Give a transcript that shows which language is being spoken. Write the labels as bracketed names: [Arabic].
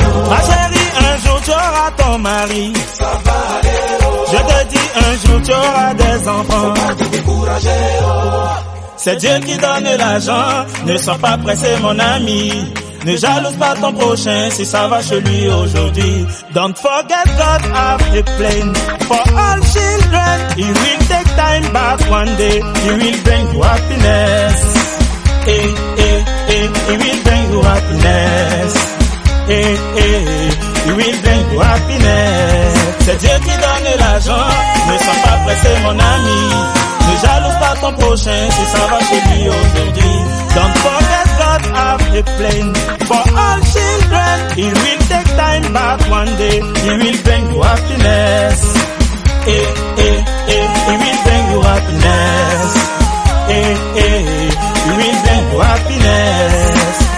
[French] ma chérie, un jour tu auras ton mari. Ça va aller. Je te dis, un jour tu auras des enfants. Faut pas te décourager, oh. C'est Dieu qui donne l'argent. Ne sois pas pressé, mon ami. Ne jalouse pas ton prochain si ça va chez lui aujourd'hui. [English] Don't forget God have a plan for all children. He will take time back one day. He will bring you happiness. Eh, eh, eh. He will bring you happiness. Eh, eh, eh. He will bring you happiness. [French] C'est Dieu qui donne l'argent, ne sois pas pressé mon ami. Ne jalouse pas ton prochain si ça va chez lui aujourd'hui. [English] Don't forget God have a plan for all children. He will take time back one day, he will bring you happiness. Eh, eh, eh, he will bring you happiness. Eh, eh, he will bring you happiness.